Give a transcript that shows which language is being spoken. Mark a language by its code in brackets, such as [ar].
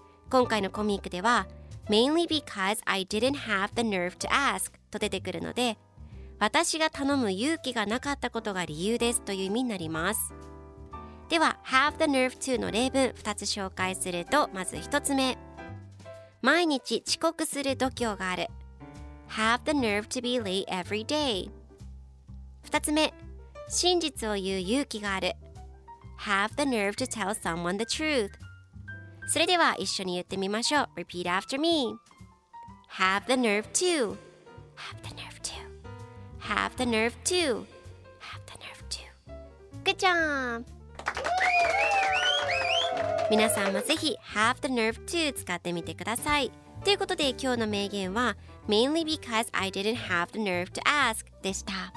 [ja] 今回のコミックでは [en] Mainly because I didn't have the nerve to ask [ja] と出てくるので、私が頼む勇気がなかったことが理由ですという意味になります。では [en] Have the nerve to [ja] の例文2つ紹介すると、まず1つ目、毎日遅刻する度胸がある。 [en] Have the nerve to be late every day. [ja] 2つ目、真実を言う勇気がある。 [en] Have the nerve to tell someone the truth. [ja] それでは一緒に言ってみましょう。 [en] Repeat after me. Have the nerve to. Have the nerve to. Have the nerve to. Have the nerve to. Good job! [ja] 皆さんもぜひ [en] Have the nerve to [ja] 使ってみてください。ということで今日の名言は [en] Mainly because I didn't have the nerve to ask [ja] でした。